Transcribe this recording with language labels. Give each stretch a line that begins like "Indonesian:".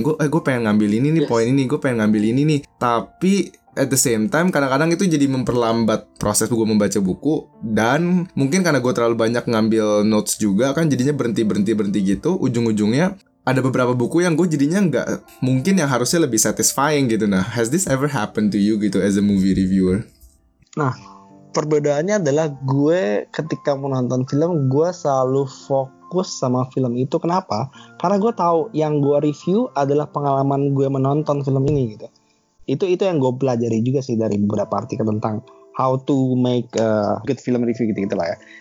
Indonesian: Gue pengen ngambil ini nih, poin ini, gue pengen ngambil ini nih. Tapi
English: at the same time,
Indonesian: kadang-kadang itu jadi memperlambat proses gue membaca buku. Dan mungkin karena gue terlalu banyak ngambil notes juga kan, jadinya berhenti gitu. Ujung-ujungnya ada beberapa buku yang gue jadinya nggak, mungkin yang harusnya lebih satisfying gitu.
English: Nah, has this ever happened to you gitu as a movie reviewer?
Indonesian: Nah, perbedaannya adalah gue ketika menonton film, gue selalu fokus sama film itu. Kenapa? Karena gue tahu yang gue review adalah pengalaman gue menonton film ini gitu. Itu yang gue pelajari juga sih dari beberapa artikel tentang
English: how to make a good film review
Indonesian: gitu-gitu lah ya.